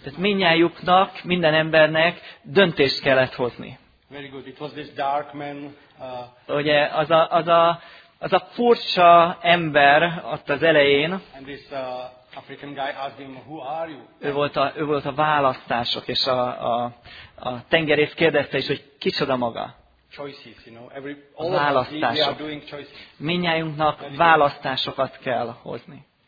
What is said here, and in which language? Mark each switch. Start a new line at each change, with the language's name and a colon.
Hungarian: Tehát mindnyájuknak, minden embernek döntést kellett hozni.
English: Very good. It was this dark man.
Hungarian: Ugye az a furcsa ember ott az elején.
English: And this, African guy asked him, who are you?
Hungarian: Ő volt a választások, és a tengerész kérdezte is, hogy kicsoda maga.
English: Choices, you know, all választások. Of doing choices.
Hungarian: Mindnyájunknak választásokat kell hozni.